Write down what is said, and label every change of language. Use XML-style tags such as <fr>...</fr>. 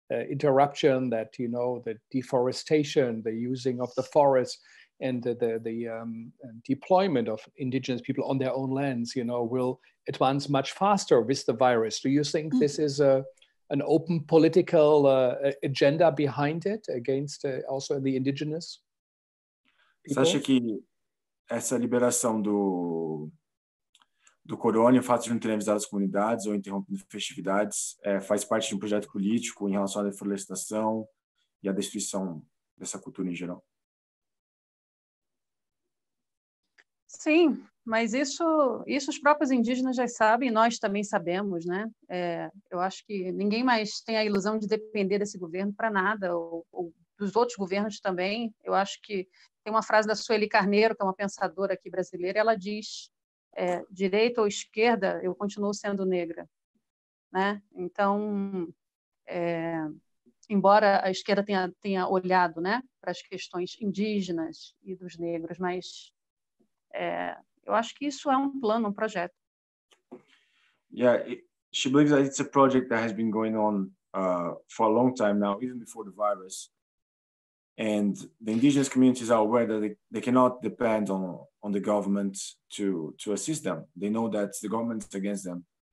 <en>interruption, that, you know, the deforestation, the using of the forest, and the deployment of indigenous people on their own lands, you know, will advance much faster with the virus. Do you think this is an open political agenda behind it against also the indigenous people?</en> <pt>Você acha que essa liberação do corona, o fato de não terem avisado as comunidades ou interrompendo festividades, faz parte de projeto político em relação à deforestação e à destruição dessa cultura em geral? Sim, mas isso os próprios indígenas já sabem, nós também sabemos, né? Eu acho que ninguém mais tem a ilusão de depender desse governo para nada, ou dos outros governos também. Eu acho que tem uma frase da Sueli Carneiro, que é uma pensadora aqui brasileira, ela diz... direita ou esquerda, eu continuo sendo negra, né? Então, embora a esquerda tenha olhado, né, para as questões indígenas e dos negros, mas eu acho que isso é um plano, um projeto.</pt> <en>Yeah, she believes that it's a project that has been going on for a long time now, even before the virus. And the indigenous communities are aware that they cannot depend on the government to assist them. They know that the government is against them.</en>